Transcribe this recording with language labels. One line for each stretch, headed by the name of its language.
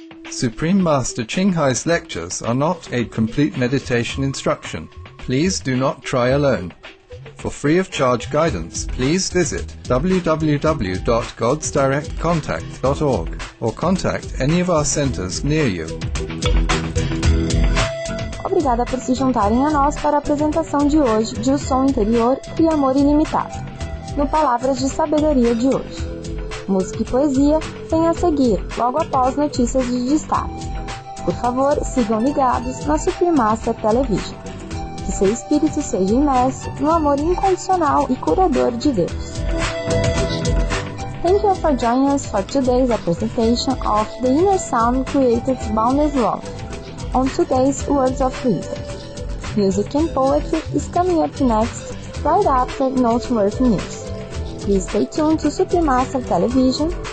English: Supreme Master Qinghai's lectures are not a complete meditation instruction. Please do not try alone. For free of charge guidance, please visit www.godsdirectcontact.org or contact any of our centers near you.
Portuguese: Obrigada por se juntarem a nós para a apresentação de hoje de O Som Interior e Amor Ilimitado, no Palavras de Sabedoria de hoje. Música e poesia vem a seguir, logo após notícias de destaque. Por favor, sigam ligados na Supreme Master Television. Que seu espírito seja imerso no amor incondicional e curador de Deus.
English: Thank you for joining us for today's presentation of The Inner Sound Created Boundless Love. On today's Words of Wisdom. Music and Poetry is coming up next, right after Noteworthy News. Please stay tuned to Supreme Master Television.